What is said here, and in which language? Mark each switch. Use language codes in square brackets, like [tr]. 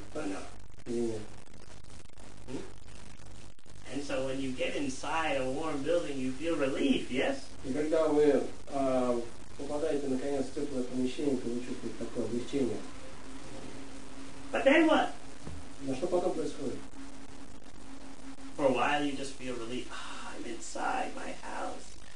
[ru] Понятно. [en] Yeah. And so when you get inside a warm building, you feel relief, yes? [ru] И когда вы попадаете наконец в теплое помещение, то вы чувствуете такое облегчение. [en] But then what? [ru] Но что потом происходит? [en] For a while you just feel relief. I'm inside my house.